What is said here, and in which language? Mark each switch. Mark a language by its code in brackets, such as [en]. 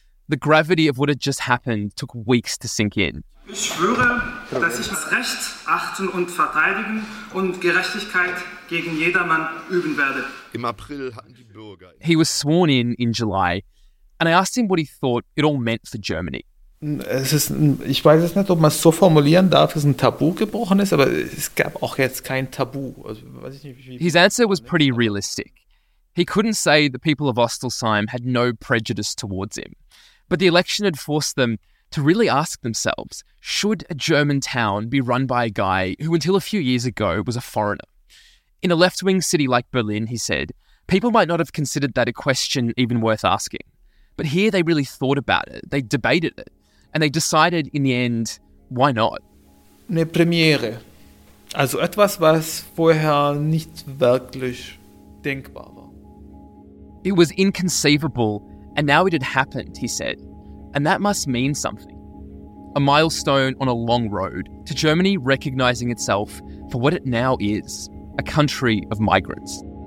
[en] The gravity of what had just happened took weeks to sink in. I swear that I will respect and defend justice and [de] gerechtigkeit gegen jedermann üben werde. [en] He was sworn in July, And I asked him what he thought it all meant for Germany. [de] Es ist, ich weiß es nicht, ob man es so formulieren darf, dass ein Tabu gebrochen ist, aber es gab auch jetzt kein Tabu. Also, weiß ich nicht, [en] wie His answer was pretty realistic. He couldn't say the people of Ostelsheim had no prejudice towards him. But the election had forced them to really ask themselves, should a German town be run by a guy who until a few years ago was a foreigner? In a left-wing city like Berlin, he said, people might not have considered that a question even worth asking. But here they really thought about it, they debated it, and they decided in the end, why not? [de] Eine Premiere. Also etwas, was vorher nicht wirklich denkbar war. [en] It was inconceivable, and now it had happened, he said. And that must mean something. A milestone on a long road to Germany recognizing itself for what it now is, a country of migrants.